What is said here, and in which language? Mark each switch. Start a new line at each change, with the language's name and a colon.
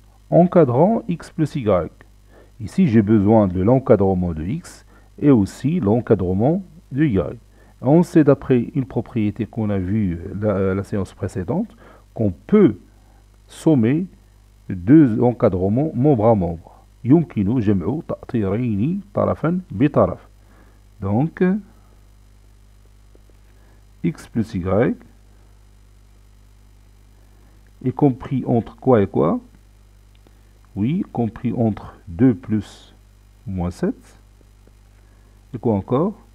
French: Encadrant x plus y. Ici, j'ai besoin de l'encadrement de x et aussi l'encadrement de y. On sait d'après une propriété qu'on a vue la séance précédente qu'on peut sommer deux encadrements membre à membre.
Arabic: يمكنو جمعو تأطيرين طرفاً بطرف.
French: Donc, x plus y est compris entre quoi et quoi? Oui, compris entre 2 plus moins 7. Et quoi encore?